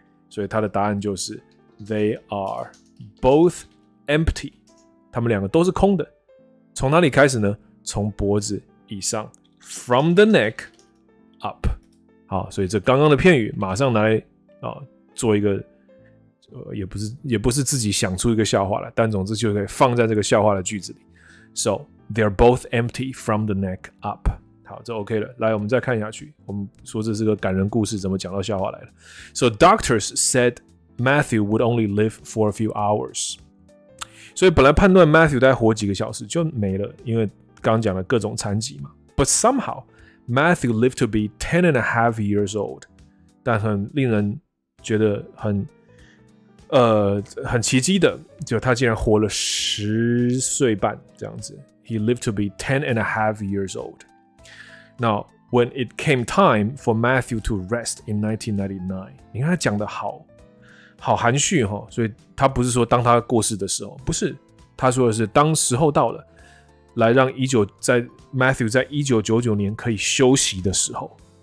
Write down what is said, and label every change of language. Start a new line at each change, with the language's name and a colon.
Chinese: 所以它的答案就是
English: they are both empty，
Chinese: 他们两个都是空的。从哪里开始呢？从脖子以上
English: from the neck up。
Chinese: 好，所以这刚刚的片语马上来做一个。也不是自己想出一个笑话了，但总之就可以放在这个笑话的句子里。
English: So they're both empty from the neck up。
Chinese: 好，这 OK 了。来，我们再看下去。我们说这是个感人故事，怎么讲到笑话来了 ？
English: So doctors said Matthew would only live for a few hours。
Chinese: 所以本来判断 Matthew 大概活几个小时就没了，因为刚讲的各种残疾嘛。
English: But somehow, Matthew lived to be 10.5 years old.
Chinese: 但很令人觉得很奇迹的，就他竟然活了10岁半这样子。
English: He lived to be 10.5 years old. Now, when it came time for Matthew to rest in 1999,
Chinese: 你看他讲的好含蓄哈，所以他不是说当他过世的时候，不是，他说的是当时候到了，来让Matthew 在1999年可以休息的时候。